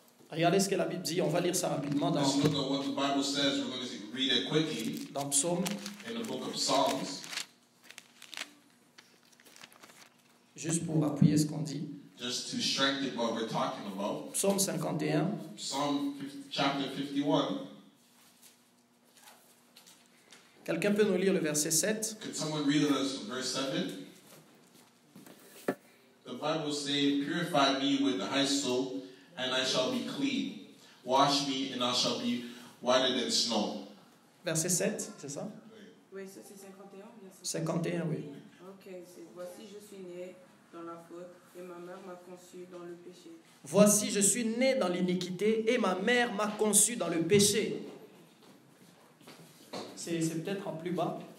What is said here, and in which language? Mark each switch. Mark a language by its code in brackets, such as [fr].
[fr] Regardez ce que la Bible dit, on va lire ça rapidement dans Psaume. [en] Let's look at what the Bible says. We're going to read it quickly. [fr] Dans Psaume. [en] In the book of Psalms. [fr] Juste pour appuyer ce qu'on dit. [en] Just to strengthen what we're talking about. [fr] Psaume 51. [en] Psalm chapter 51. [fr] Quelqu'un peut nous lire le verset 7? [en] Could someone read us verse 7? The Bible says, purify me with the hyssop, and I shall be clean. Wash me, and I shall be whiter than snow. [fr] Verset 7, c'est ça? Oui, c'est 51? 51, oui. Ok, voici, je suis né dans la faute, et ma mère m'a conçu dans le péché. Voici, je suis né dans l'iniquité, et ma mère m'a conçu dans le péché. C'est peut-être en plus bas.